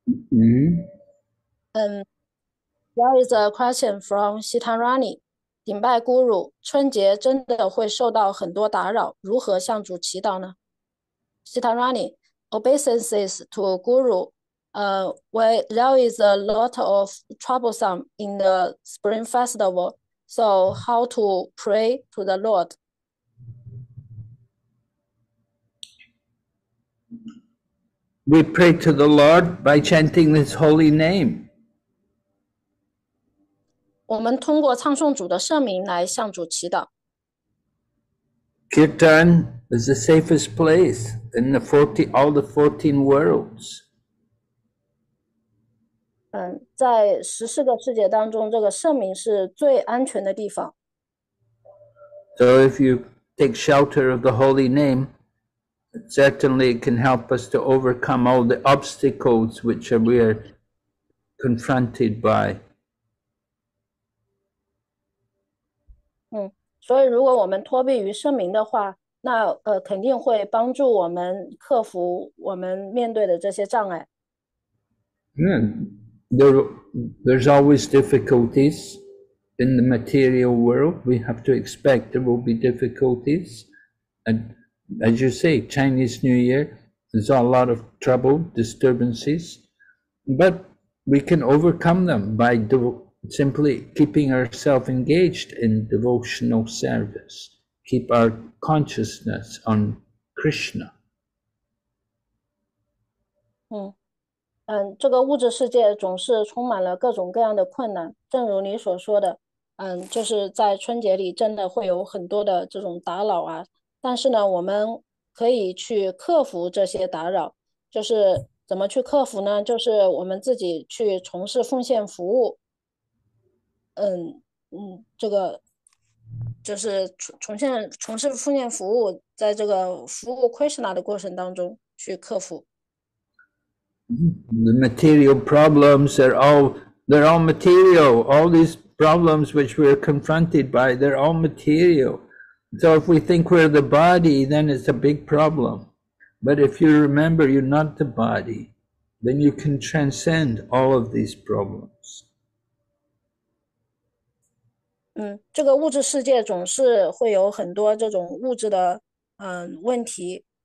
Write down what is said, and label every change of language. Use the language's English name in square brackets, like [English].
[English] There is a question from Sitarani. [Chinese] 顶拜孤乳，春节真的会受到很多打扰，如何向主祈祷呢？ [English] Sitarani, obeisances to Guru, where there is a lot of troublesome in the Spring Festival, so how to pray to the Lord? We pray to the Lord by chanting His holy name. [Chinese] 我们通过唱诵主的圣名来向主祈祷。 [English] Kirtan is the safest place in the 14, all the 14 worlds. [Chinese] 在14个世界当中，这个圣名是最安全的地方。 [English] So if you take shelter of the holy name,Certainly, it can help us to overcome all the obstacles which we are confronted by. [Chinese] 所以如果我们托庇于圣名的话，那肯定会帮助我们克服我们面对的这些障碍。 [English] There's always difficulties in the material world. We have to expect there will be difficulties and. As you say, Chinese New Year, there's a lot of trouble, disturbances, but we can overcome them by simply keeping ourselves engaged in devotional service, keep our consciousness on Krishna. [Chinese] 这个物质世界总是充满了各种各样的困难，正如你所说的，就是在春节里真的会有很多的这种打扰啊。但是呢，我们可以去克服这些打扰，就是怎么去克服呢？就是我们自己去从事奉献服务，这个就是从事奉献服务，在这个服务 Krishna 的过程当中去克服。 [English] The material problems are all they're all material. All these problems which we're confronted by, they're all material. So if we think we're the body, then it's a big problem. But if you remember you're not the body, then you can transcend all of these problems. [Chinese] 这个物质世界总是会有很多这种物质的问题。